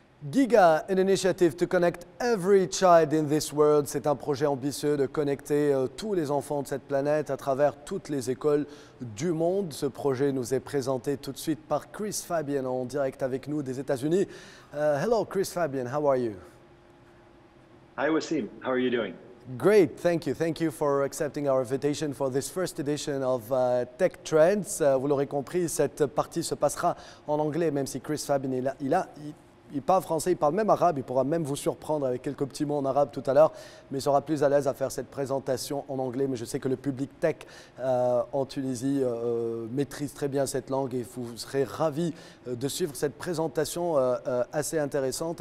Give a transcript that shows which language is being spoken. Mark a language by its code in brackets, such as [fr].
[en] GIGA, an initiative to connect every child in this world. [fr] C'est un projet ambitieux de connecter tous les enfants de cette planète à travers toutes les écoles du monde. Ce projet nous est présenté tout de suite par Chris Fabien en direct avec nous des États-Unis. [en] Hello, Chris Fabien, how are you? Hi, Wassim, how are you doing? Great, thank you. Thank you for accepting our invitation for this first edition of Tech Trends. [fr] Vous l'aurez compris, cette partie se passera en anglais, même si Chris Fabien est là. Il parle français, il parle même arabe, il pourra même vous surprendre avec quelques petits mots en arabe tout à l'heure, mais il sera plus à l'aise à faire cette présentation en anglais. Mais je sais que le public tech en Tunisie maîtrise très bien cette langue et vous serez ravis de suivre cette présentation assez intéressante.